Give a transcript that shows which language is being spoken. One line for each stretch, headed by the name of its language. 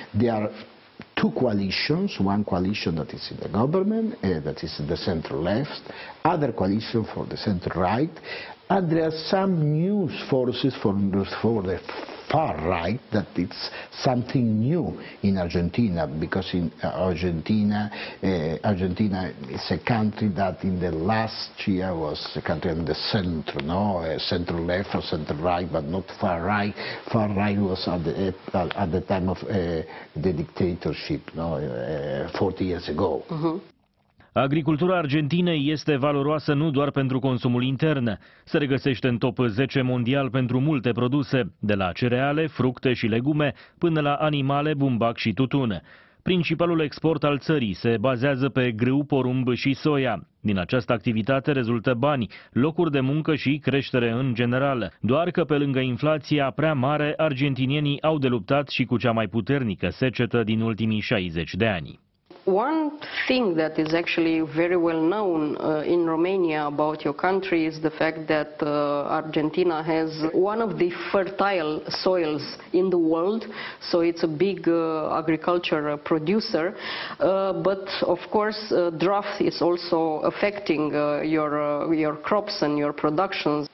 English: There are two coalitions, one coalition that is in the government, that is in the center-left, other coalition for the center-right, and there are some new forces for the far-right, that it's something new in Argentina, because in Argentina, Argentina is a country that in the last year was a country in the center, no, center-left or center-right, but not far-right. Far-right was at the time of the dictatorship, no, 40 years ago. Mm-hmm.
Romanian: Agricultura Argentinei este valoroasă nu doar pentru consumul intern. Se regăsește în top 10 mondial pentru multe produse, de la cereale, fructe și legume, până la animale, bumbac și tutun. Principalul export al țării se bazează pe grâu, porumb și soia. Din această activitate rezultă bani, locuri de muncă și creștere în general. Doar că pe lângă inflația prea mare, argentinienii au de luptat și cu cea mai puternică secetă din ultimii 60 de ani.
English: One thing that is actually very well known in Romania about your country is the fact that Argentina has one of the fertile soils in the world, so it's a big agriculture producer, but of course drought is also affecting your crops and your productions.